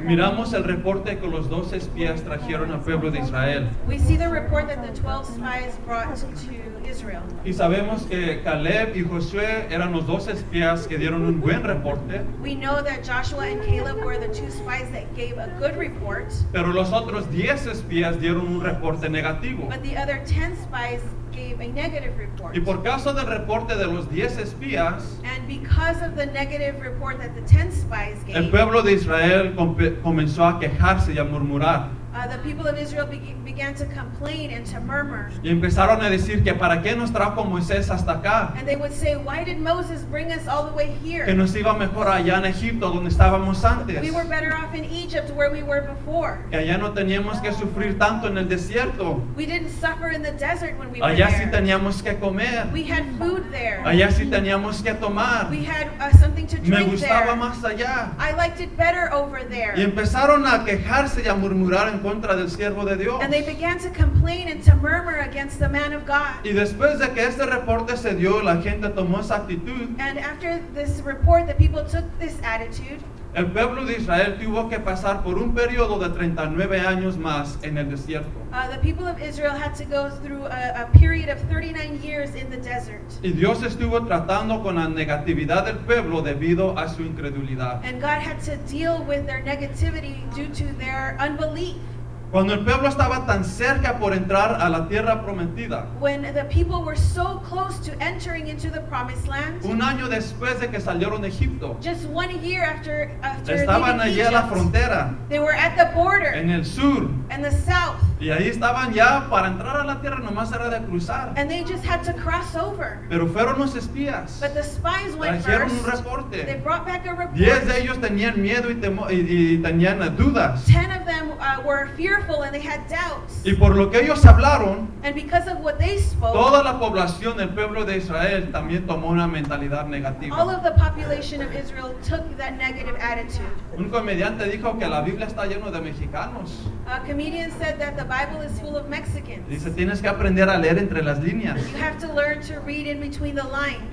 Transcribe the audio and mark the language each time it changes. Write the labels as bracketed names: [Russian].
[Spanish] miramos el reporte que los 12 espías trajeron al pueblo de Israel. [English] We see the report that the 12 spies brought to Israel. [Spanish] Y sabemos que Caleb y Josué eran los 12 espías que dieron un buen reporte. [English] We know that Joshua and Caleb were the two spies that gave a good report. [Spanish] Pero los otros 10 espías dieron un reporte negativo. [English] But the other 10 spies gave a negative report. [Spanish] Y por causa del reporte de los 10 espías, [English] and because of the negative report that the 10 spies gave, [Spanish] el pueblo de Israel comenzó a quejarse y a murmurar. [English] The people of Israel began to complain and to murmur. [Spanish] Y empezaron a decir que para qué nos trajo Moisés hasta acá. [English] And they would say, why did Moses bring us all the way here? [Spanish] Que nos iba mejor allá en Egipto donde estábamos antes. [English] We were better off in Egypt where we were before. [Spanish] Que allá no teníamos que sufrir tanto en el desierto. [English] We didn't suffer in the desert when we [Spanish] allá [English] were [Spanish] allá [English] there. [Spanish] Allá sí teníamos que comer. [English] We had food there. [Spanish] Allá sí teníamos que tomar. [English] We had something to drink there. [Spanish] Me gustaba [English] there. [Spanish] Más allá. [English] I liked it better over there. [Spanish] Y empezaron a quejarse y a murmurar en contra del siervo de Dios. [English] And they began to complain and to murmur against the man of God. [Spanish] Y después de que este reporte se dio, la gente tomó esa actitud. [English] And after this report, the people took this attitude. [Spanish] El pueblo de Israel tuvo que pasar por un periodo de 39 años más en el desierto. [English] The people of Israel had to go through a period of 39 years in the desert. [Spanish] Y Dios estuvo tratando con la negatividad del pueblo debido a su incredulidad. [English] And God had to deal with their negativity due to their unbelief. [Spanish] Cuando el pueblo estaba tan cerca por entrar a la tierra prometida, [English] when the people were so close to entering into the promised land, [Spanish] un año después de que salieron de Egipto, [English] just one year after [Spanish] estaban allí [English] Egypt, [Spanish] a la frontera, [English] they were at the border, [Spanish] en el sur, [English] and the south, [Spanish] y ahí estaban ya para entrar a la tierra, nomás era de cruzar, [English] and they just had to cross over. [Spanish] Pero fueron los espías, [English] but the spies went [Spanish] trajeron [English] first, [Spanish] un reporte, [English] they brought back a report. [Spanish] 10 de ellos tenían miedo y tenían dudas. [English] 10 of them were fearful. And they had doubts. [Spanish] Y por lo que ellos hablaron, [English] and because of what they spoke, [Spanish] toda la población del pueblo de Israel también tomó una mentalidad negativa. [English] All of the population of Israel took that negative attitude. [Spanish] Un comediante dijo que la Biblia está lleno de mexicanos. [English] A comedian said that the Bible is full of Mexicans. [Spanish] Dice, tienes que aprender a leer entre las líneas. [English] You have to learn to read in between the lines.